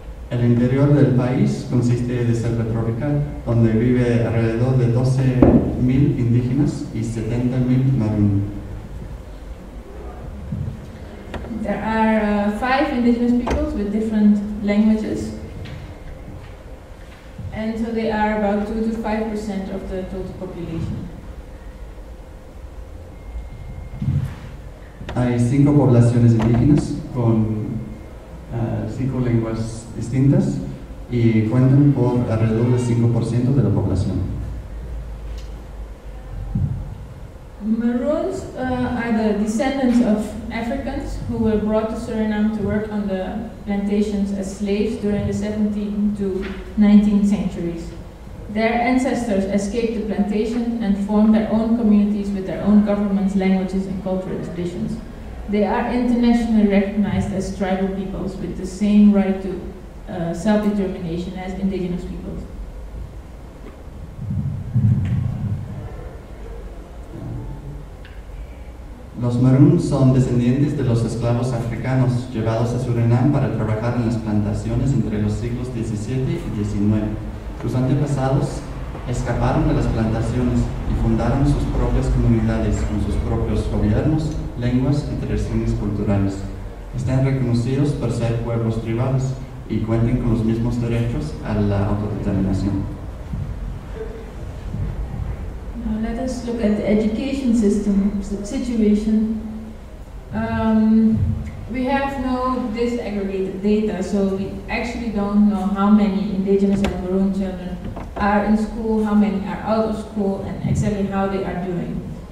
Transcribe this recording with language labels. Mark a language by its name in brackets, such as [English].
[Spanish] El interior del país consiste de selva tropical, donde vive alrededor de 12,000 indígenas y 70,000 Maroons. [English] There are five indigenous peoples with different languages. And so they are about 2 to 5% of the total population. [Spanish] Hay cinco poblaciones indígenas con cinco lenguas distintas y cuentan por alrededor del 5% de la población. [English] Maroons are the descendants of Africans who were brought to Suriname to work on the plantations as slaves during the 17th to 19th centuries. Their ancestors escaped the plantation and formed their own communities with their own governments, languages, and cultural traditions. They are internationally recognized as tribal peoples with the same right to self-determination as indigenous peoples. [Spanish] Los Maroons son descendientes de los esclavos africanos llevados a Surinam para trabajar en las plantaciones entre los siglos XVII y XIX. Sus antepasados escaparon de las plantaciones y fundaron sus propias comunidades con sus propios gobiernos, lenguas y tradiciones culturales. Están reconocidos por ser pueblos tribales y cuentan con los mismos derechos a la autodeterminación. [English] Let us look at the education system situation. We have no disaggregated data, so we actually don't know how many indigenous and Maroon children are in school, how many are out of school, and exactly how they are doing.